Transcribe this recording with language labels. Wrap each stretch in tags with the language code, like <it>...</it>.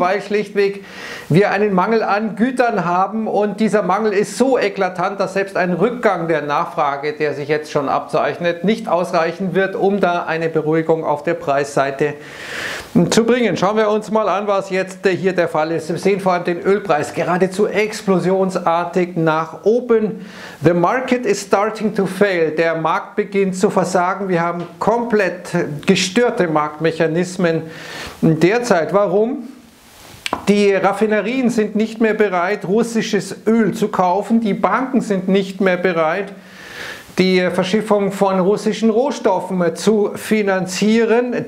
<de>Weil schlichtweg wir einen Mangel an Gütern haben und dieser Mangel ist so eklatant, dass selbst ein Rückgang der Nachfrage, der sich jetzt schon abzeichnet, nicht ausreichen wird, um da eine Beruhigung auf der Preisseite zu bringen. Schauen wir uns mal an, was jetzt hier der Fall ist. Wir sehen vor allem den Ölpreis geradezu explosionsartig nach oben.</de> <en>The market is starting to fail.</en> <de>Der Markt beginnt zu versagen. Wir haben komplett gestörte Marktmechanismen derzeit. Warum? Die Raffinerien sind nicht mehr bereit, russisches Öl zu kaufen. Die Banken sind nicht mehr bereit, die Verschiffung von russischen Rohstoffen zu finanzieren.</de>